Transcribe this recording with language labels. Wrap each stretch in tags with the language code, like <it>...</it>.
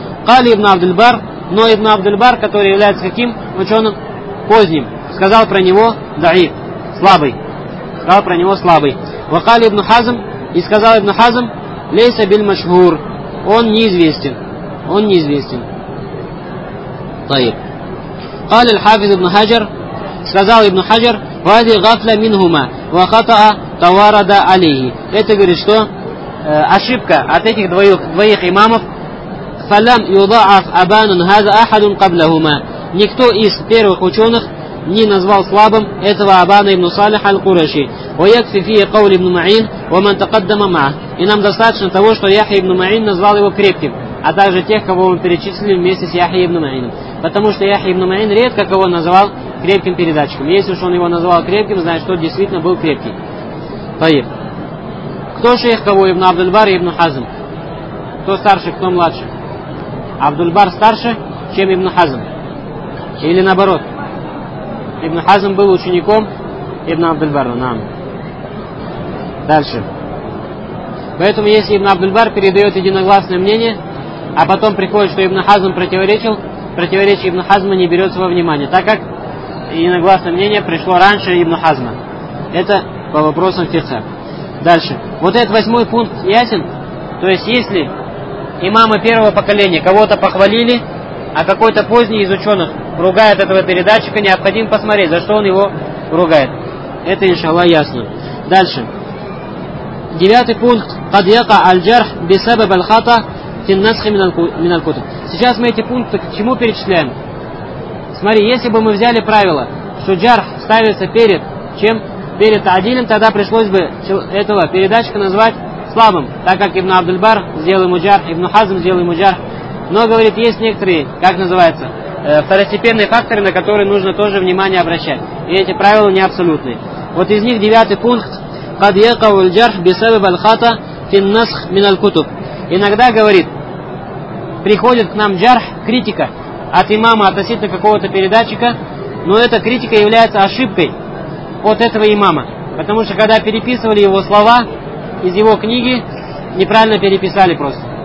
<ru>Кали ибн Абдульбар, но ибн Абдульбар, который является каким ученым? Поздним. Сказал про него даиф, слабый. Сказал про него слабый. Вакали ибн Хазм, и сказал ибн Хазм,</ru> <ar>лейса биль машгур.</ar> <ru>Он неизвестен. Он неизвестен. Таир.</ru> <ar>قال الحافظ ابن حجر</ar> <ru>сказал</ru> <ar>ابن حجر وهذه غفلة منهما وخطأ توارد عليه.</ar> <ru>Это говорит, что ошибка от этих двоих имамов.</ru> <ar>فلم يضعف أبان هذا أحد قبلهما.</ar> <ru>Никто из первых ученых не назвал слабым этого Абана ибн Салиха аль-Кураши.</ru> <ar>ويكفي فيه قول ابن معين ومن تقدم معه.</ar> <ru>И нам достаточно того, что Яхья ибн Маин назвал его крепким, а также тех, кого мы перечислили вместе с Яхьей ибн Маином. Потому что Яхья ибн Маин редко кого назвал крепким передатчиком. Если уж он его назвал крепким, значит, тот действительно был крепкий. Таиб. Кто шейх кого? Ибн Абдульбар и ибн Хазм. Кто старше, кто младше? Абдульбар старше, чем ибн Хазм. Или наоборот? Ибн Хазм был учеником ибн Абдульбара. Нам. Дальше. Поэтому если ибн Абдульбар передает единогласное мнение, а потом приходит, что ибн Хазм противоречил, противоречие ибн Хазма не берется во внимание, так как единогласное мнение пришло раньше ибн Хазма. Это по вопросам фикха. Дальше. Вот этот восьмой пункт ясен. То есть если имамы первого поколения кого-то похвалили, а какой-то поздний из ученых ругает этого передатчика, необходимо посмотреть, за что он его ругает. Это, иншаллах, ясно. Дальше. Девятый пункт.</ru> <ar>قد يقع الجرح بسبب الخطأ في النسخ من الكتب.</ar> <ru>Сейчас мы эти пункты к чему перечисляем? Смотри, если бы мы взяли правило, что джарх ставится перед чем? Перед Адилем, тогда пришлось бы этого передатчика назвать слабым, так как ибн Абдульбар сделал ему джарх, ибн Хазм сделал ему джарх. Но, говорит, есть некоторые, как называется, второстепенные факторы, на которые нужно тоже внимание обращать. И эти правила не абсолютные. Вот из них девятый пункт.</ru> <ar>قد يقع الجرح بسبب الخطأ في النسخ من الكتب.</ar> <ru>Иногда, говорит, приходит к нам джарх, критика от имама относительно какого-то передатчика, но эта критика является ошибкой от этого имама. Потому что когда переписывали его слова из его книги, неправильно переписали просто.</ru>